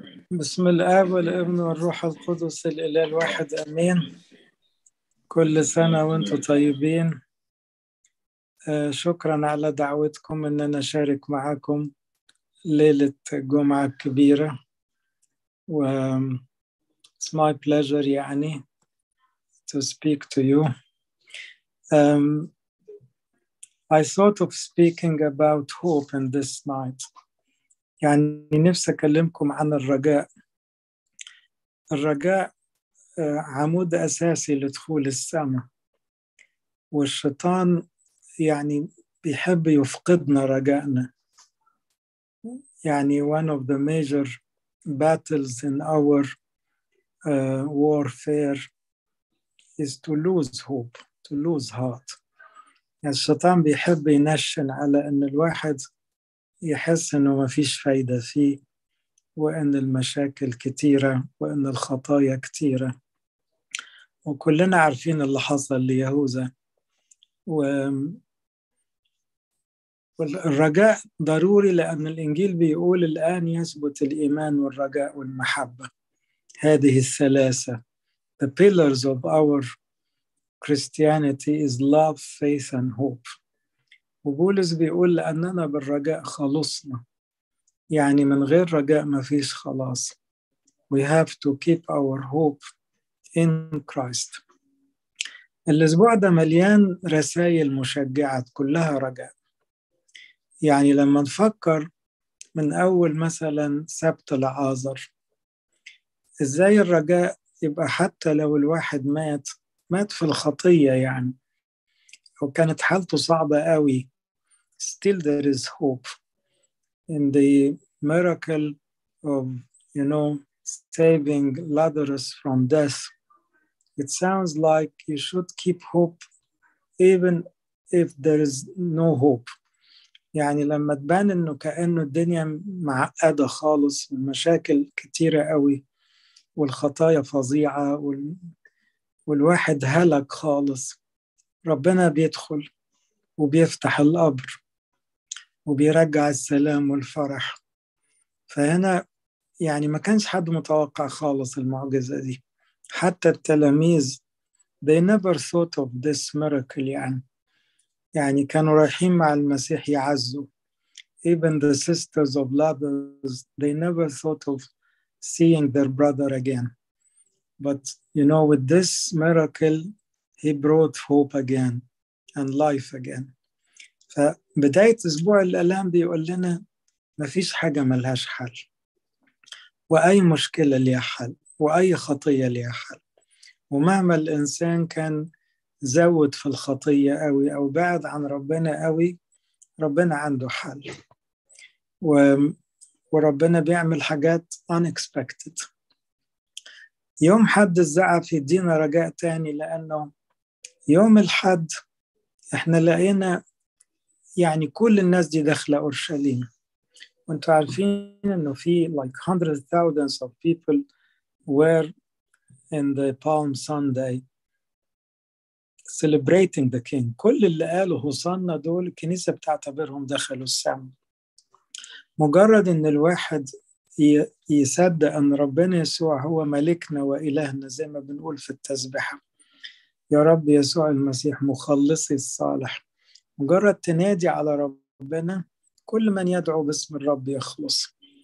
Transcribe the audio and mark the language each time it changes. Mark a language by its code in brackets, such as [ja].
[ar] بسم الآب والابن والروح القدس الإله الواحد أمين. كل سنة وأنتم طيبين. شكراً على دعوتكم أن نشارك معكم ليلة جمعة كبيرة. [en] It's my pleasure [ar] يعني [en] to speak to you. I thought of speaking about hope in this night. [ar] يعني نفسي أكلمكم عن الرجاء. الرجاء عمود أساسي لدخول السماء. والشيطان يعني بيحب يفقدنا رجاءنا. يعني [en] one of the major battles in our warfare is to lose hope, to lose heart. [ar] يعني الشيطان بيحب ينشن على أن الواحد يحس أنه ما فيش فايدة فيه وأن المشاكل كتيرة وأن الخطايا كتيرة. وكلنا عارفين اللي حصل ليهوذا. والرجاء ضروري لأن الإنجيل بيقول الآن يثبت الإيمان والرجاء والمحبة. هذه الثلاثة. [en] The pillars of our Christianity is love, faith and hope. [ar] وبولس بيقول لأننا بالرجاء خلصنا. يعني من غير رجاء ما فيش خلاص. [en] We have to keep our hope in Christ. [ar] الأسبوع ده مليان رسائل مشجعة كلها رجاء. يعني لما نفكر من أول مثلا سبت العازر إزاي الرجاء يبقى حتى لو الواحد مات في الخطية يعني وكانت حالته صعبة قوي [en] still there is hope in the miracle of you know saving Lazarus from death. It sounds like you should keep hope even if there is no hope. [ar] يعني لما تبان انه كأنه الدنيا معقدة خالص المشاكل كتيرة قوي والخطايا فظيعة والواحد هلك خالص ربنا بيدخل وبيفتح القبر وبيرجع السلام والفرح. فهنا يعني ما كانش حد متوقع خالص المعجزة دي. حتى التلاميذ [en] they never thought of this miracle [ar] يعني كانوا رايحين مع المسيح يعزوا. [en] Even the sisters of Lazarus they never thought of seeing their brother again. But you know with this miracle he brought hope again and life again. [ar] فبداية أسبوع الألام بيقول لنا مفيش حاجة ملهاش حل وأي مشكلة ليها حل وأي خطية ليها حل. ومهما الإنسان كان زود في الخطية قوي أو بعد عن ربنا قوي ربنا عنده حل. وربنا بيعمل حاجات [en] unexpected. [ar] يوم حد الزعف يدينا رجاء تاني لأنه يوم الحد إحنا لقينا يعني كل الناس دي داخلة أورشليم. وانتوا عارفين انه في [en] like hundreds of thousands of people were in the Palm Sunday celebrating the king. [ar] كل اللي قالوا هوصانا دول الكنيسة بتعتبرهم دخلوا السماء. مجرد ان الواحد يصدق ان ربنا يسوع هو ملكنا وإلهنا زي ما بنقول في التسبحة يا رب يسوع المسيح مخلصي الصالح. مجرد تنادي على ربنا كل من يدعو باسم الرب يخلص.